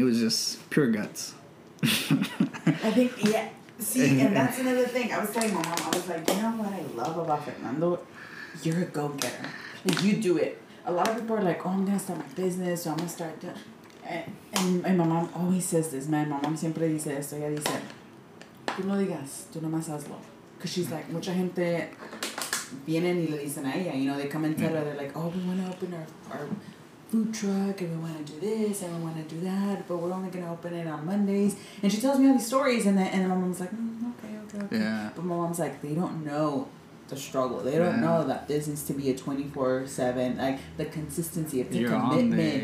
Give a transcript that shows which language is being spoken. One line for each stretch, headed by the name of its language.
English: It was just pure guts. I think, yeah. See, and that's another thing. I was telling my mom, I was like, you know what I love about Fernando? You're a go-getter. Like, you do it. A lot of people are like, oh, I'm going to start my business, so I'm going to start doing... And my mom always says this, man. My mom
Spanish: siempre dice esto. Ella dice... Tú no digas, tú nomás hazlo.
English: Because she's like,
Spanish: mucha gente vienen y le dicen a ella.
English: You know, they come and tell her, they're like, oh, we want to open our food truck, and we want to do this, and we want to do that, but we're only going to open it on Mondays. And she tells me all these stories, and my mom's like, okay. Yeah. But my mom's like, they don't know the struggle. They don't know that this needs to be a 24/7, like, the consistency of the commitment.